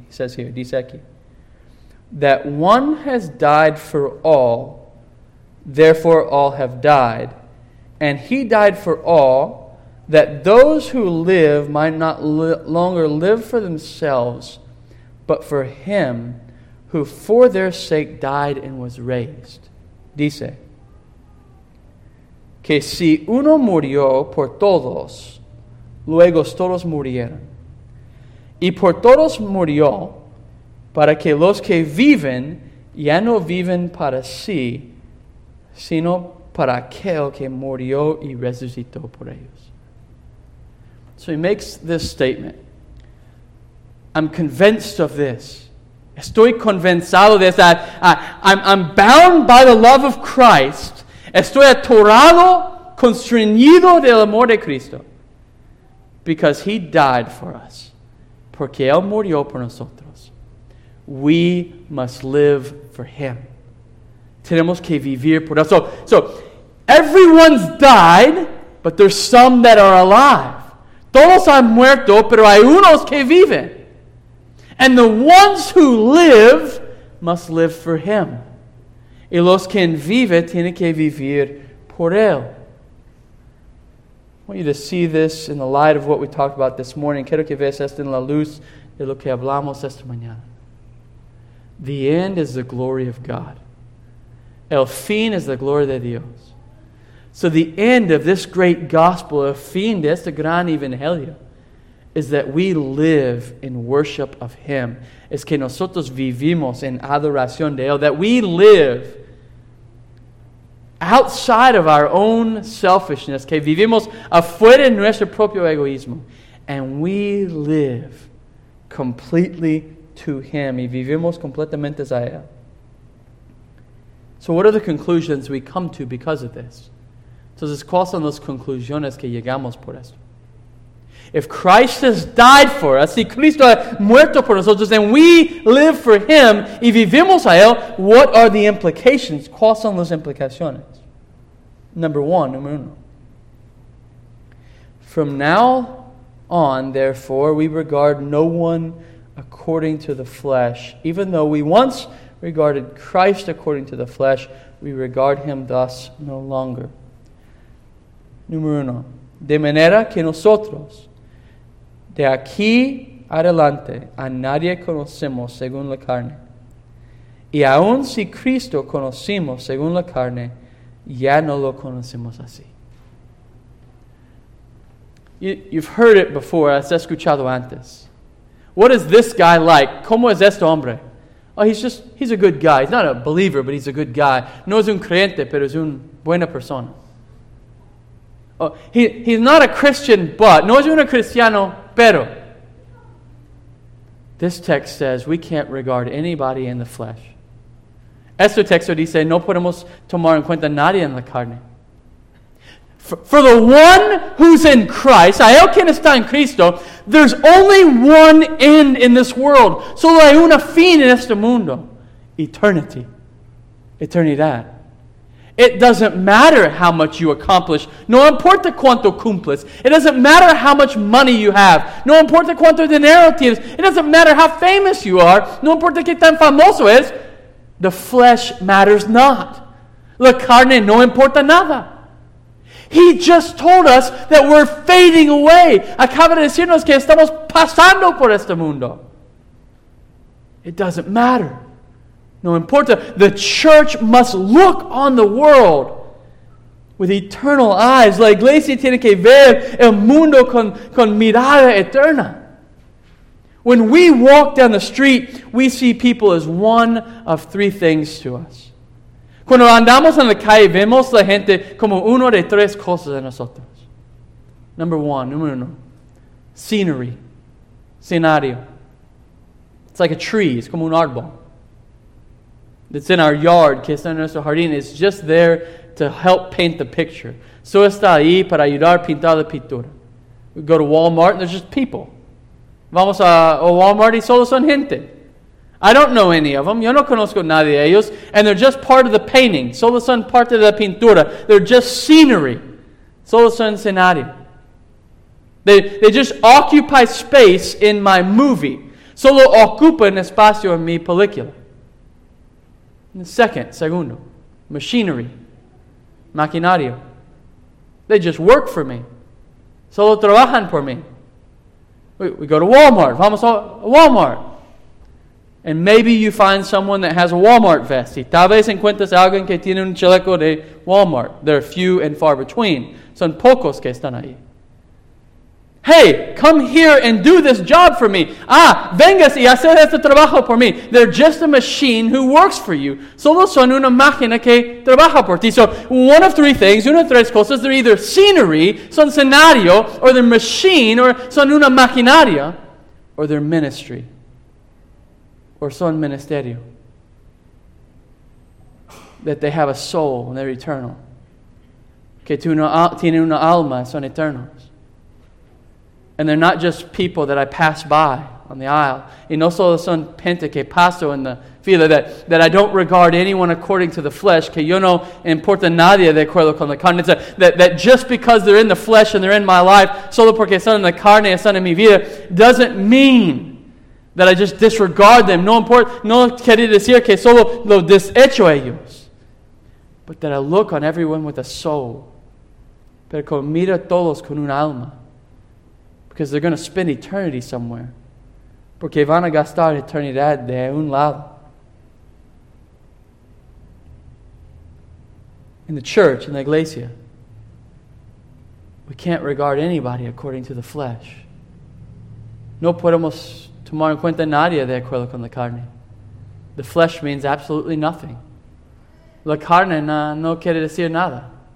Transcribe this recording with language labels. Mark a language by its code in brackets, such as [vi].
[en] He says here, [es] dice aquí, [en] that one has died for all, therefore all have died. And he died for all, that those who live might not longer live for themselves, but for him who for their sake died and was raised. [es] Dice, que si uno murió por todos, luego todos murieron. Y por todos murió, para que los que viven ya no viven para sí, sino para aquel que murió y resucitó por ellos. [en] So he makes this statement. I'm convinced of this. [es] Estoy convencido de esto. [en] I'm bound by the love of Christ. [es] Estoy atorado, constreñido del amor de Cristo. [en] Because he died for us. [es] Porque él murió por nosotros. [en] We must live for him. [es] Tenemos que vivir por él. [en] So everyone's died, but there's some that are alive. [es] Todos han muerto, pero hay unos que viven. [en] And the ones who live must live for him. [es] Y los que viven tienen que vivir por él. [en] I want you to see this in the light of what we talked about this morning. [es] Quiero que veas esto en la luz de lo que hablamos esta mañana. [en] The end is the glory of God. [es] El fin es la gloria de Dios. [en] So the end of this great gospel, [es] el fin de este gran evangelio, [en] is that we live in worship of him. [es] Es que nosotros vivimos en adoración de él. [en] That we live outside of our own selfishness. [es] Que vivimos afuera de nuestro propio egoísmo. [en] And we live completely to him. [es] Y vivimos completamente a él. [en] So what are the conclusions we come to because of this? [es] Entonces, ¿cuáles son las conclusiones que llegamos por esto? [en] If Christ has died for us, [es] si Cristo ha muerto por nosotros, [en] and we live for him, [es] y vivimos a él, [en] what are the implications? [es] ¿Cuáles son las implicaciones? [en] Number 1. From now on, therefore, we regard no one according to the flesh. Even though we once regarded Christ according to the flesh, we regard him thus no longer. [es] Número 1. De manera que nosotros, de aquí adelante, a nadie conocemos según la carne. Y aun si Cristo conocimos según la carne, ya no lo conocemos así. [en] You've heard it before, [es] has escuchado antes. [en] What is this guy like? [es] ¿Cómo es este hombre? [en] Oh, he's a good guy. He's not a believer, but he's a good guy. [es] No es un creyente, pero es una buena persona. [en] Oh, he's not a Christian, but [es] no es un cristiano. [en] Pero, this text says we can't regard anybody in the flesh. [es] Este texto dice, no podemos tomar en cuenta nadie en la carne. [en] For the one who's in Christ, [es] a él quien está en Cristo, [en] there's only one end in this world. [es] Solo hay una fin en este mundo. [en] Eternity. [es] Eternidad. [en] It doesn't matter how much you accomplish. [es] No importa cuánto cumples. [en] It doesn't matter how much money you have. [es] No importa cuánto dinero tienes. [en] It doesn't matter how famous you are. [es] No importa qué tan famoso es. [en] The flesh matters not. [es] La carne no importa nada. [en] He just told us that we're fading away. [es] Acaba de decirnos que estamos pasando por este mundo. [en] It doesn't matter. [es] No importa, [en] the church must look on the world with eternal eyes. [es] La iglesia tiene que ver el mundo con mirada eterna. [en] When we walk down the street, we see people as one of three things to us. [es] Cuando andamos en la calle, vemos la gente como uno de tres cosas a nosotros. [en] Number 1. Scenery. Scenario. It's like a tree. It's [es] como un árbol. [en] That's in our yard, [es] que está en nuestro jardín, [en] is just there to help paint the picture. [es] So está ahí para ayudar a pintar la pintura. [en] We go to Walmart and there's just people. [es] Vamos a Walmart y solo son gente. [en] I don't know any of them. [es] Yo no conozco nadie de ellos. [en] And they're just part of the painting. [es] Solo son parte de la pintura. [en] They're just scenery. [es] Solo son escenario. [en] They just occupy space in my movie. [es] Solo ocupan espacio en mi película. [en] Segundo, machinery, maquinario. They just work for me. [es] Solo trabajan por mí. [en] We go to Walmart. [es] Vamos a Walmart. [en] And maybe you find someone that has a Walmart vest. [es] Y tal vez encuentres a alguien que tiene un chaleco de Walmart. [en] There are few and far between. [es] Son pocos que están ahí. [en] Hey, come here and do this job for me. [es] Ah, vengas y hacer este trabajo por mí. [en] They're just a machine who works for you. [es] Solo son una máquina que trabaja por ti. [en] So, one of three things, [es] una de tres cosas, [en] they're either scenery, [es] son escenario, [en] or they're machine, or [es] son una maquinaria, [en] or they're ministry, or [es] son ministerio. [en] That they have a soul and they're eternal. [es] Que tienen una alma, son eternos. [en] And they're not just people that I pass by on the aisle. [es] Y no solo son gente que paso en la fila, [en] that I don't regard anyone according to the flesh, [es] que yo no importa nadie de acuerdo con la carne. [en] That just because they're in the flesh and they're in my life, [es] solo porque son en la carne y son en mi vida, [en] doesn't mean that I just disregard them. [es] No quiere decir que solo lo desecho a ellos. [en] But that I look on everyone with a soul. [es] Pero como mira todos con un alma. [en] Because they're going to spend eternity somewhere. [es] Porque van a gastar eternidad de un lado. [en] In the church, in the iglesia, we can't regard anybody according to the flesh. [es] No podemos tomar en cuenta nadie de acuerdo con la carne. [en] The flesh means absolutely nothing. [es] La carne no quiere decir nada.